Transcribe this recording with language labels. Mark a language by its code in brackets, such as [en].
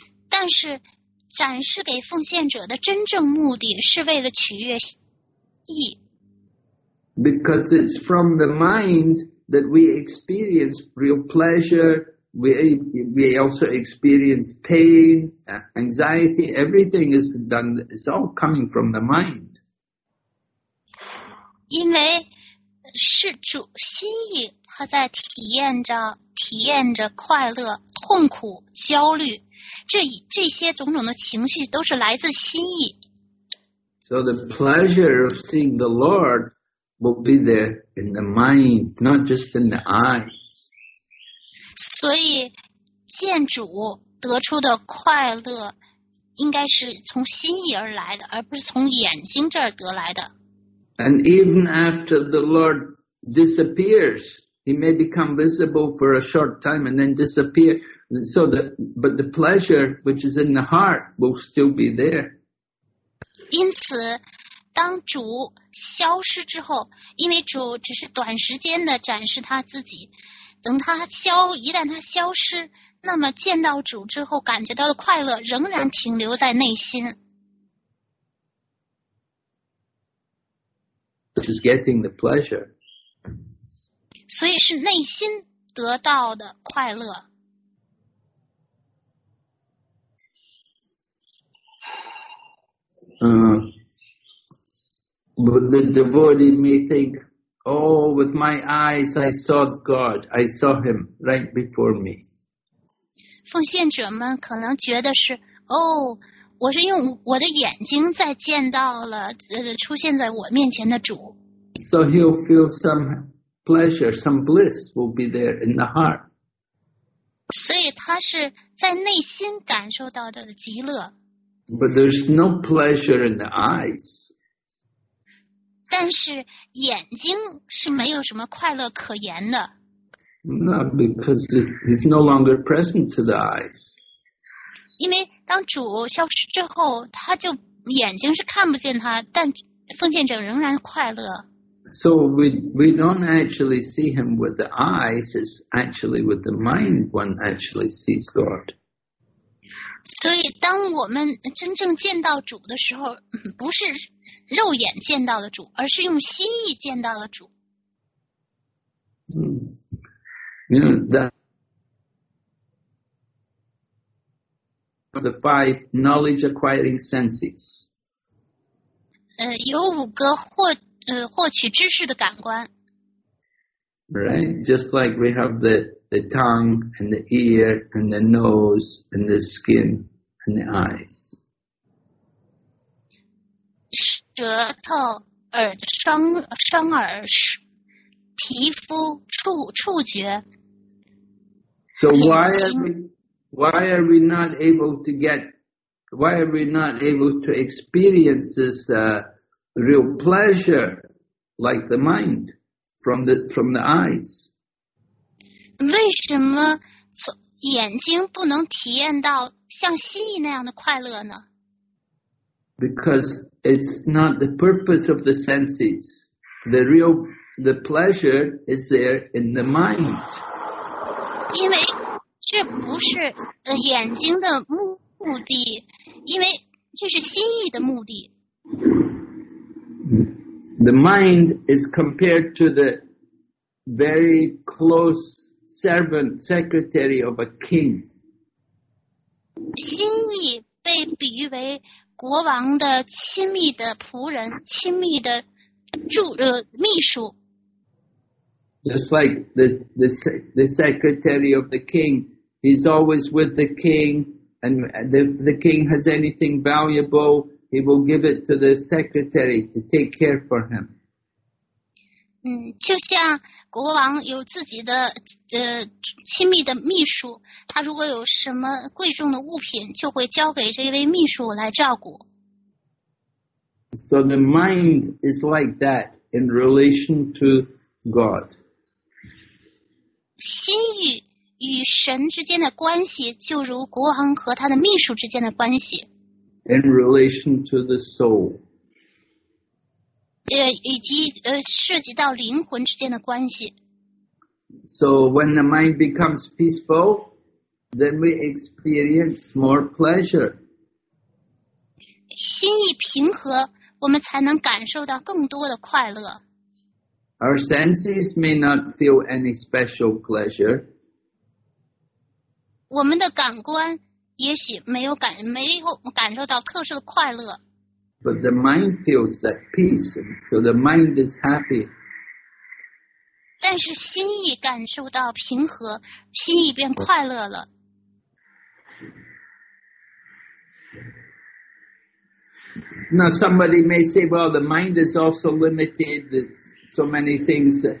[zh] 但是展示给奉献者的真正目的是为了取悦意。 [en] Because it's from the mind that we experience real pleasure. We also experience pain, anxiety, everything is done, it's all coming from the mind. [zh] 因为是主心意，他在体验着快乐、痛苦、焦虑，这些种种的情绪都是来自心意。 [en] So the pleasure of seeing the Lord will be there in the mind, not just in the eyes. [zh] 所以见主得出的快乐应该是从心意而来的，而不是从眼睛这儿得来的。 [en] And even after the Lord disappears, he may become visible for a short time and then disappear. But the pleasure which is in the heart will still be there. [zh] 因此当主消失之后，因为主只是短时间的展示他自己，等他消，一旦他消失，那么见到主之后感觉到的快乐仍然停留在内心。 [en] Which is getting the pleasure. [zh] 所以是内心得到的快乐。 [en] But the devotee may think,Oh, with my eyes, I saw God. I saw him right before me. [zh] 奉献者们可能觉得是，哦，我是用我的眼睛在见到了，出现在我面前的主。 [en] So he'll feel some pleasure, some bliss will be there in the heart. [zh] 所以他是在内心感受到的极乐。 [en] But there's no pleasure in the eyes. [zh] 但是眼睛是没有什么快乐可言的。 [en] No, because he's no longer present to the eyes. [zh] 因为当主消失之后，他就眼睛是看不见他，但奉献者仍然快乐。 [en] So we don't actually see him with the eyes, it's actually with the mind one actually sees God. [zh] 所以当我们真正见到主的时候，不是肉眼见到的主，而是用心意见到的主。 [en] The five knowledge acquiring senses. [zh] 有五个获取知识的感官。 [en] Right, just like we have the tongue and the ear and the nose and the skin.And the eyes. [zh] 舌头、耳声耳、皮肤、触觉。 [en] So why are we not able to experience this real pleasure like the mind from the eyes? [zh] 为什么眼睛不能体验到像心意那样的快乐呢？ [en] Because it's not the purpose of the senses. The pleasure is there in the mind. [zh] 因为这不是眼睛的目的，因为这是心意的目的。 [en] The mind is compared to the very close servant, secretary of a king. [zh] 心意被比喻为国王的亲密的仆人，亲密的秘书。 [en] Just like the secretary of the king, he's always with the king, and the king has anything valuable, he will give it to the secretary to take care for him. [zh] 就像国王有自己的亲密的秘书，他如果有什么贵重的物品，就会交给这位秘书来照顾。 [en] So the mind is like that in relation to God. [zh] 心欲与神之间的关系就如国王和他的秘书之间的关系。 [en] In relation to the soul. [zh] 以及涉及到灵魂之间的关系。 [en] So when the mind becomes peaceful, then we experience more pleasure. [zh] 心意平和，我们才能感受到更多的快乐。 [en] Our senses may not feel any special pleasure. [zh] 我们的感官也许没有感受到特殊的快乐。 [en] But the mind feels at peace, so the mind is happy. [zh] 但是心意感受到平和，心意便快乐了。 [en] Now somebody may say, well, the mind is also limited, it's so many things.